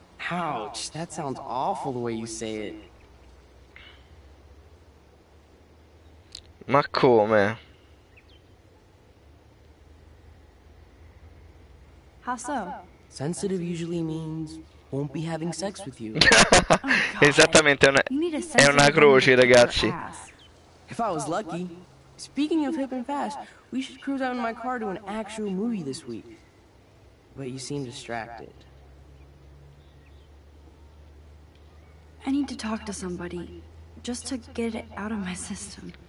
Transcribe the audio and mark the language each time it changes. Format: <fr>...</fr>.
<en>Ouch, that sounds awful the way you say it.</en> <it>Ma come?</it> <en>How so? Sensitive usually means won't be having sex with you.</en> <it>Oh, esattamente, è una croce, ragazzi.</it> <en>If I was lucky. Speaking of hip and fast, we should cruise out in my car to an actual movie this week. But you seem distracted. I need to talk to somebody, just to get it out of my system.</en>